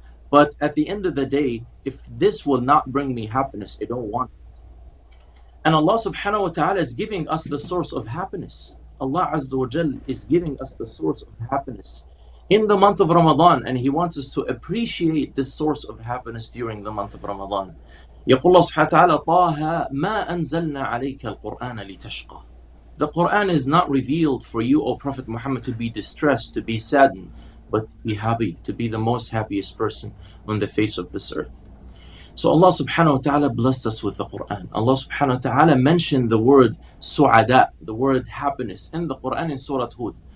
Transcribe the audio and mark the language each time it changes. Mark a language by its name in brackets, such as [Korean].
[English] But at the end of the day, if this will not bring me happiness, I don't want it. And Allah subhanahu wa ta'ala is giving us the source of happiness. Allah azza wa jal is giving us the source of happiness in the month of Ramadan, and He wants us to appreciate this source of happiness during the month of Ramadan. [Arabic] يقول الله سبحانه وتعالى طه ما أنزلنا عليك القرآن لتشقى. [English] The Quran is not revealed for you, O Prophet Muhammad, to be distressed, to be saddened, but to be happy, to be the most happiest person on the face of this earth. So Allah subhanahu wa ta'ala blessed us with the Quran. Allah subhanahu wa ta'ala mentioned the word su'ada, the word happiness, in the Quran in Surah Hud.